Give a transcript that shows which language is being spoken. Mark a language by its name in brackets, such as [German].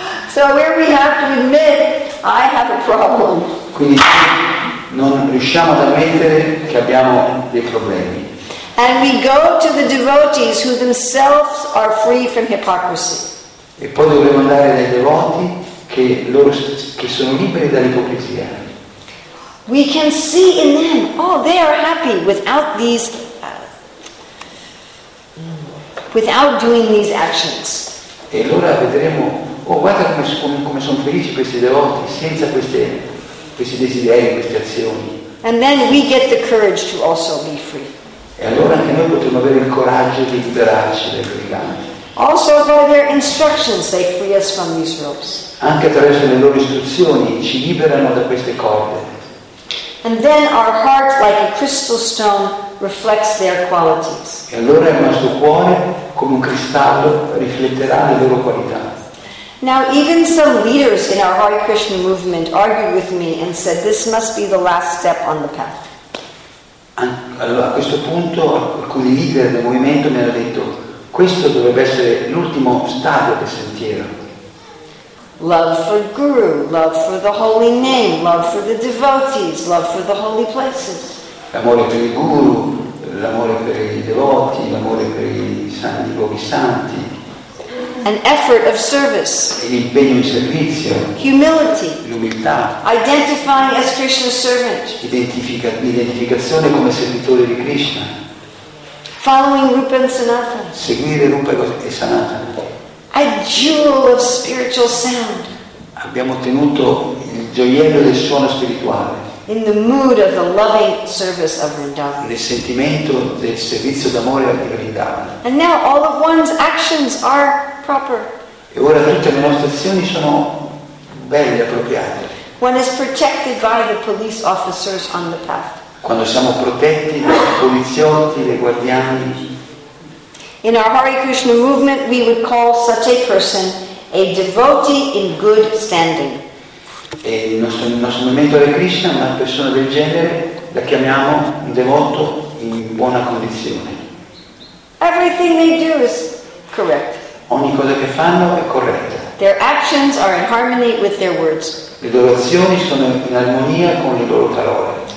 [English] So where we have to admit I have a problem. [Italian] Quindi non riusciamo ad ammettere che abbiamo dei problemi. [English] And we go to the devotees who themselves are free from hypocrisy. [Italian] E poi dovremo andare dai devoti che sono liberi dall'ipocrisia. [English] We can see in them, oh, they are happy without these. Without doing these actions. [Italian] E allora vedremo, oh guarda come sono felici questi devoti senza questi desideri, queste azioni. [English] And then we get the courage to also be free. [Italian] E allora anche noi potremo avere il coraggio di liberarci dai briganti. [English] Also by their instructions they free us from these ropes. [Italian] Anche attraverso le loro istruzioni ci liberano da queste corde. [English] And then our heart, like a crystal stone, reflects their qualities. [Italian] E allora il nostro cuore, come un cristallo, rifletterà le loro qualità. [English] Now, even some leaders in our Hare Krishna movement argued with me and said this must be the last step on the path. [Italian] Allora, a questo punto, alcuni leader del movimento mi hanno detto questo dovrebbe essere l'ultimo stadio del sentiero. [English] Love for Guru, love for the holy name, love for the devotees, love for the holy places. [Italian] L'amore per il Guru, l'amore per i devoti, l'amore per i luoghi santi. [English] An effort of service. [Italian] L'impegno in servizio. [English] Humility. [Italian] L'umiltà. [English] Identifying as Krishna's servant. [Italian] L'identificazione come servitore di Krishna. [English] Following Rupa and Sanatana. [Italian] Seguire Rupa e Sanatana. [English] A jewel of spiritual sound. [Italian] Abbiamo ottenuto il gioiello del suono spirituale. [English] In the mood of the loving service of Vrindavan. [Italian] Nel sentimento del servizio d'amore a Vrindavan. [English] And now all of one's actions are proper. [Italian] E ora tutte le nostre azioni sono belle, appropriate. [English] One is protected by the police officers on the path. [Italian] Quando siamo protetti dai poliziotti, dai guardiani. [English] In our Hare Krishna movement, we would call such a person a devotee in good standing. [Italian] E il nostro movimento Hare Krishna, una persona del genere, la chiamiamo un devoto in buona condizione. [English] Everything they do is correct. [Italian] Ogni cosa che fanno è corretta. [English] Their actions are in harmony with their words. [Italian] Le loro azioni sono in armonia con le loro parole.